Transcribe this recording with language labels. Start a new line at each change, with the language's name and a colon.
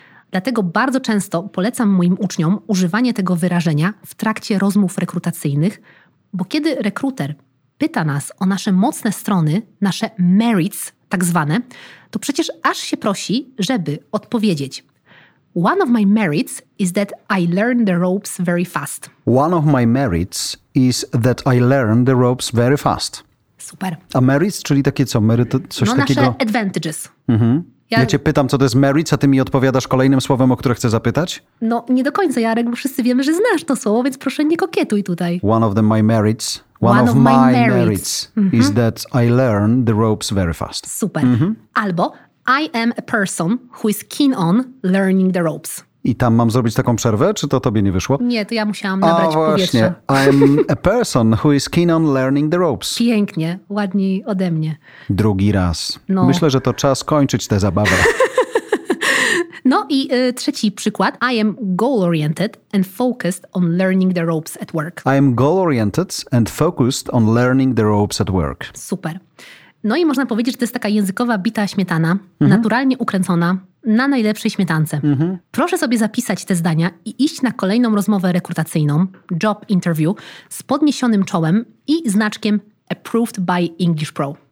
Polish: Dlatego bardzo często polecam moim uczniom używanie tego wyrażenia w trakcie rozmów rekrutacyjnych, bo kiedy rekruter pyta nas o nasze mocne strony, nasze merits tak zwane, to przecież aż się prosi, żeby odpowiedzieć.
English: One of my merits is that I learn the ropes very fast. One of my merits is that I learn the ropes very fast.
Polish: Super. A merits, czyli takie co? Coś takiego? Nasze advantages. Mhm. Ja cię pytam, co to jest merits, a ty mi odpowiadasz kolejnym słowem, o które chcę zapytać? No, nie do końca, Jarek, bo wszyscy wiemy, że znasz to słowo, więc proszę nie kokietuj tutaj.
English: One of them my merits. One of my merits mm-hmm. is that I learn the ropes very fast.
Polish: Super. Mm-hmm.
English: Albo I am a person who is keen on learning the ropes.
Polish: I tam mam zrobić taką przerwę, czy to tobie nie wyszło? Nie, to ja musiałam nabrać powietrza. Właśnie.
English: I am a person who is keen on learning the ropes.
Polish: Pięknie, ładniej ode mnie. Drugi raz. No. Myślę, że to czas kończyć tę zabawę. No i trzeci przykład.
English: I am goal-oriented and focused on learning the ropes at work. I am goal-oriented and focused on learning the ropes at work.
Polish: Super. No i można powiedzieć, że to jest taka językowa bita śmietana, naturalnie ukręcona, na najlepszej śmietance. Mhm. Proszę sobie zapisać te zdania i iść na kolejną rozmowę rekrutacyjną, job interview, z podniesionym czołem i znaczkiem Approved by English Pro.